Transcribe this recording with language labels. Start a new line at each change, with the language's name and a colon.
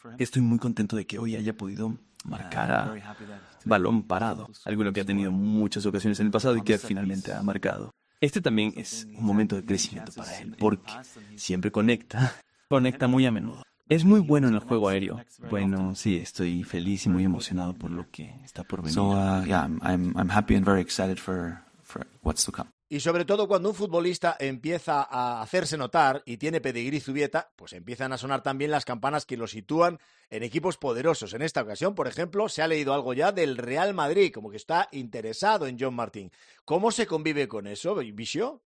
Spanish: Estoy muy contento de que hoy haya podido marcar a balón parado, alguno que ha tenido muchas ocasiones en el pasado y que finalmente ha marcado. Este también es un momento de crecimiento para él, porque siempre conecta muy a menudo. Es muy bueno en el juego aéreo. Bueno, sí, estoy feliz y muy emocionado por lo que está por venir.
English: I'm happy and very excited for what's to come.
Spanish: Y sobre todo cuando un futbolista empieza a hacerse notar y tiene pedigrí Zubieta, pues empiezan a sonar también las campanas que lo sitúan en equipos poderosos. En esta ocasión, por ejemplo, se ha leído algo ya del Real Madrid, como que está interesado en John Martín. ¿Cómo se convive con eso, Bixio?